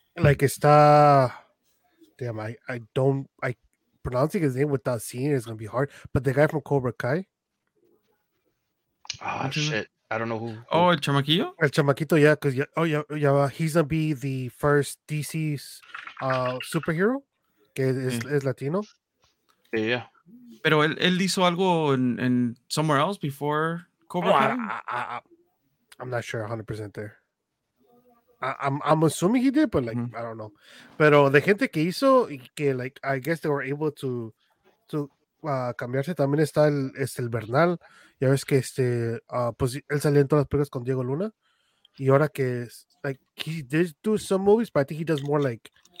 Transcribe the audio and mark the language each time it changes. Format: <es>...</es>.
<en>Like, está, damn, I don't, I pronouncing his name without seeing it is going to be hard. But the guy from Cobra Kai. Ah, shit. I don't know who.</en> <es>Oh, El Chamaquillo? El Chamaquito, yeah.</es> <en>Because, he's going to be the first DC's superhero que es Latino. Yeah.</en> <es>Pero él hizo algo in somewhere else before Cobra Kai?</es> <en>I'm not sure 100% there. I'm assuming he did, but like, I don't know. But the gente que hizo, que like, I guess they were able to cambiarse.</en> <es>También está el Bernal. Ya ves que pues él salió en todas las películas con Diego Luna. Y ahora que, like, he did do some movies, but I think he does more like</es>